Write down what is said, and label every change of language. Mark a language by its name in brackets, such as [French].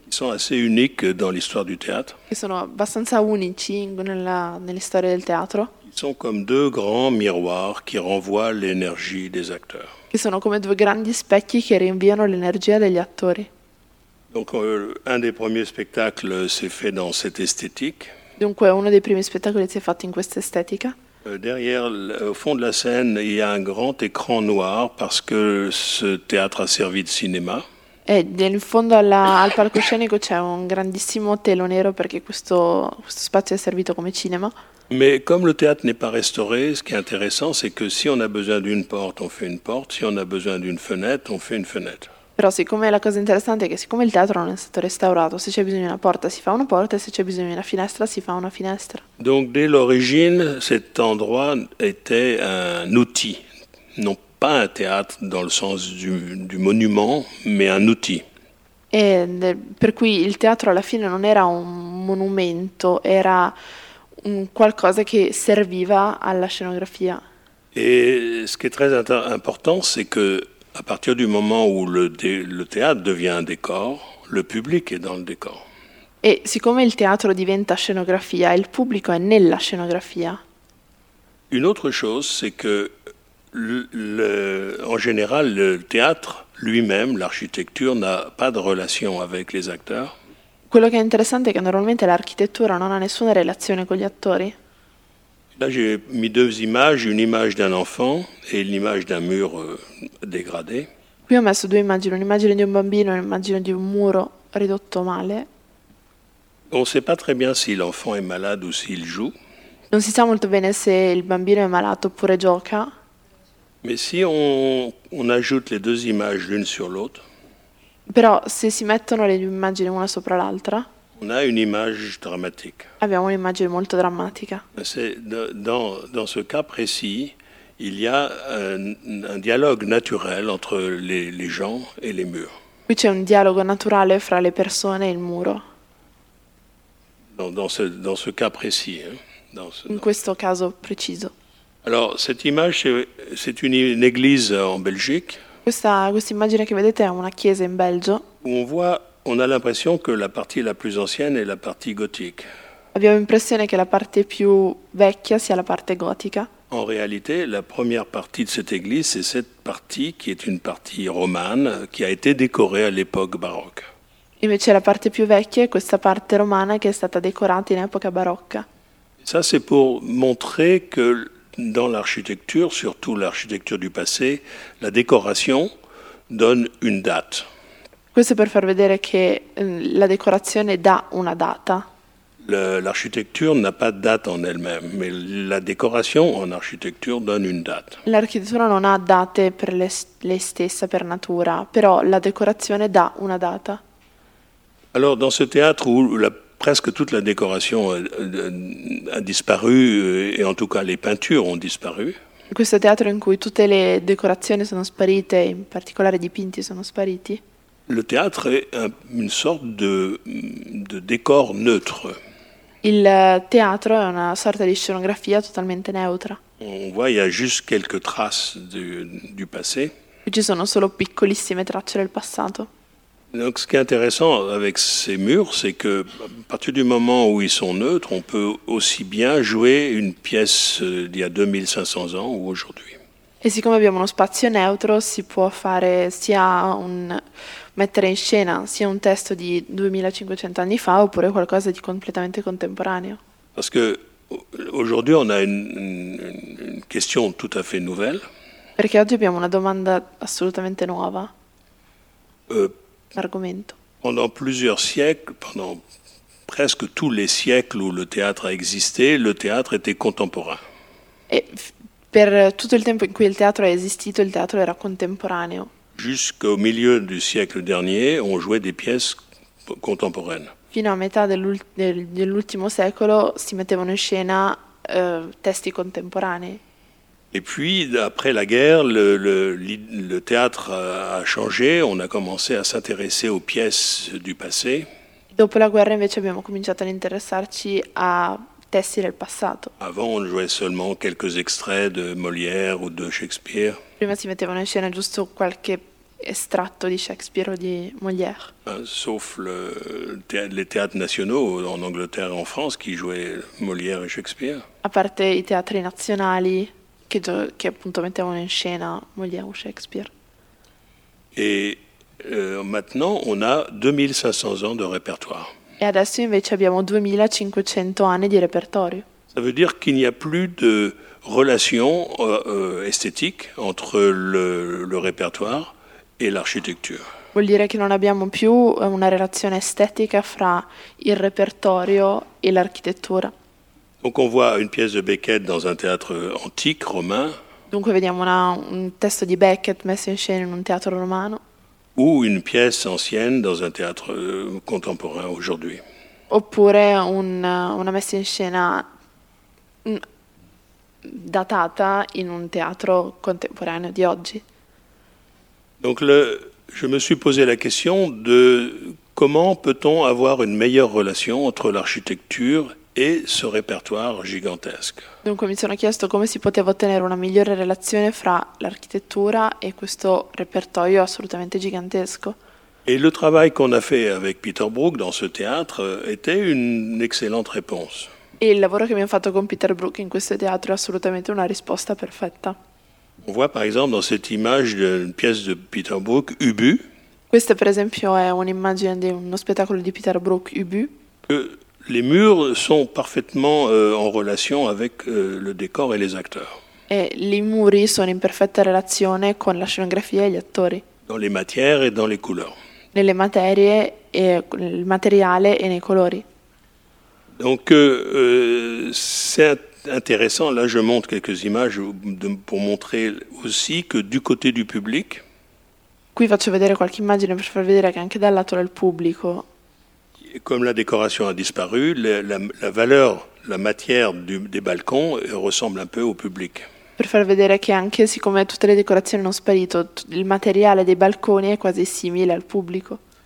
[French] Sono assez uniques dans l'histoire du théâtre. [Italian] Che sono abbastanza unici nelle storie del teatro. [French] Sont comme deux grands miroirs qui renvoient l'énergie des acteurs. [Italian] Che sono come due grandi specchi che rinviano l'energia degli attori. [French] Donc un des premiers spectacles s'est fait dans cette esthétique. [Italian] Dunque uno dei primi spettacoli si è fatto in questa estetica. [French] Derrière, au fond de la scène, il y a un grand écran noir parce que ce théâtre a servi de cinéma. [Italian] E in fondo al palcoscenico c'è un grandissimo telo nero perché questo spazio è servito come cinema. [French] Mais comme le théâtre n'est pas restauré, ce qui est intéressant, c'est que si on a besoin d'une porte, on fait une porte. Si on a besoin d'une fenêtre, on fait une fenêtre. [Italian] Però siccome la cosa interessante è che siccome il teatro non è stato restaurato, se c'è bisogno di una porta si fa una porta e se c'è bisogno di una finestra si fa una finestra. [French] Donc dès l'origine, cet endroit était un outil, non pas un théâtre dans le sens du monument, mais un outil. [Italian] E per cui il teatro alla fine non era un monumento, era qualcosa che serviva alla scenografia. [French] Et ce qui est très important, c'est que à partir du moment où le théâtre devient un décor, le public est dans le décor. [Italian] E siccome il teatro diventa scenografia, il pubblico è nella scenografia. [French] Une autre chose, c'est que en général, le théâtre lui-même, l'architecture, n'a pas de relation avec les acteurs. [Italian] Quello che è interessante è che normalmente l'architettura non ha nessuna relazione con gli attori. [French] Là j'ai mis deux images, une image d'un enfant et l'image d'un mur dégradé. [Italian] Qui ho messo due immagini, un'immagine di un bambino e un'immagine di un muro ridotto male. [French] On sait pas très bien si l'enfant est malade ou s'il joue. [Italian] Non si sa molto bene se il bambino è malato oppure gioca. [French] Mais si on ajoute les deux images l'une sur l'autre. [Italian] Però se si mettono le due immagini una sopra l'altra. [French] On a une image dramatique. [Italian] Abbiamo un'immagine molto drammatica. [French] C'est dans ce cas précis, il y a un dialogue naturel entre les gens et les murs. [Italian] Qui c'è un dialogo naturale fra le persone e il muro. [French] Dans ce cas précis. Hein, [Italian] In questo caso preciso. [French] Alors cette image, c'est une église en Belgique. [Italian] Questa immagine che vedete è una chiesa in Belgio. [French] On a l'impression que la partie la plus ancienne est la partie gothique. [Italian] Abbiamo l'impressione che la parte più vecchia sia la parte gotica. [French] En réalité, la première partie de cette église, c'est cette partie qui est une partie romane, qui a été décorée à l'époque baroque. [Italian] Invece la parte più vecchia è questa parte romana che è stata decorata in epoca barocca. [French] Ça, c'est pour montrer que dans l'architecture, surtout l'architecture du passé, la décoration donne une date. [Italian] Questo per far vedere che la decorazione dà una data. [French] L'architecture n'a pas de date en elle-même, mais la décoration en architecture donne une date. [Italian] L'architettura non ha date per lei stessa, per natura, però la decorazione dà una data. [French] Alors, dans ce théâtre où presque toute la décoration a disparu, et en tout cas les peintures ont disparu. [Italian] In questo teatro in cui tutte le decorazioni sono sparite, in particolare i dipinti sono spariti. [French] Le théâtre est une sorte de décor neutre. [Italian] Il teatro è una sorta di scenografia totalmente neutra. [French] On voit il y a juste quelques traces du passé. [Italian] Ci sono solo piccolissime tracce del passato. [French] Donc ce qui est intéressant avec ces murs, c'est que à partir du moment où ils sont neutres, on peut aussi bien jouer une pièce d'il y a 2500 ans ou aujourd'hui. [Italian] E siccome abbiamo uno spazio neutro, si può fare sia un mettere in scena sia un testo di 2500 anni fa oppure qualcosa di completamente contemporaneo. [French] Parce que aujourd'hui on a une question tout à fait nouvelle. [Italian] Perché oggi abbiamo una domanda assolutamente nuova. Argomento. [French] Pendant plusieurs siècles, pendant presque tous les siècles où le théâtre a existé, le théâtre était contemporain. [Italian] Per tutto il tempo in cui il teatro è esistito, il teatro era contemporaneo. [French] Jusqu'au milieu du siècle dernier, on jouait des pièces contemporaines. [Italian] Fino a metà dell'ultimo secolo si mettevano in scena testi contemporanei. [French] Et puis, après la guerre, le théâtre a changé, on a commencé à s'intéresser aux pièces du passé. [Italian] Dopo la guerra invece abbiamo cominciato ad interessarci a testi del passato. [French] Avant on jouait seulement quelques extraits de Molière ou de Shakespeare. [Italian] Prima si mettevano in scena giusto qualche estratto di Shakespeare o di Molière. [French] Sauf les théâtres nationaux en Angleterre et en France qui jouaient Molière et Shakespeare. [Italian] A parte i teatri nazionali che appunto mettevano in scena Molière o Shakespeare. [French] Et maintenant on a 2500 ans de répertoire. [Italian] E adesso invece abbiamo 2500 anni di repertorio. [French] Ça veut dire qu'il n'y a plus de relation esthétique entre le répertoire et l'architecture. [Italian] Vuol dire che non abbiamo più una relazione estetica fra il repertorio e l'architettura. [French] Donc on voit une pièce de Beckett dans un théâtre antique romain. [Italian] Dunque vediamo un testo di Beckett messo in scena in un teatro romano. [French] Ou une pièce ancienne dans un théâtre contemporain aujourd'hui. [Italian] Oppure una messa in scena datata in un teatro contemporaneo di oggi. [French] Donc je me suis posé la question de comment peut-on avoir une meilleure relation entre l'architecture et ce répertoire gigantesque. [Italian] Dunque mi sono chiesto come si poteva ottenere una migliore relazione fra l'architettura e questo repertorio assolutamente gigantesco. [French] Et le travail qu'on a fait avec Peter Brook dans ce théâtre était une excellente réponse. [Italian] E il lavoro che abbiamo fatto con Peter Brook in questo teatro è assolutamente una risposta perfetta. [French] On voit par exemple dans cette image une pièce de Peter Brook, Ubu. [Italian] Questa per esempio è un'immagine di uno spettacolo di Peter Brook, Ubu. [French] Que les murs sont parfaitement en relation avec le décor et les acteurs. [Italian] E i muri sono in perfetta relazione con la scenografia e gli attori. [French] Dans les matières et dans les couleurs. [Italian] Nelle materie e il materiale e nei colori. [French] Donc c'est intéressant, là je montre quelques images pour montrer aussi que du côté du public. [Italian] Qui faccio vedere qualche immagine per far vedere che anche dal lato del pubblico. [French] Comme la décoration a disparu, la valeur, la matière des balcons ressemble un peu au public. [Italian] Per far vedere che anche siccome tutte le decorazioni sono sparite, il materiale dei balconi è quasi simile al pubblico.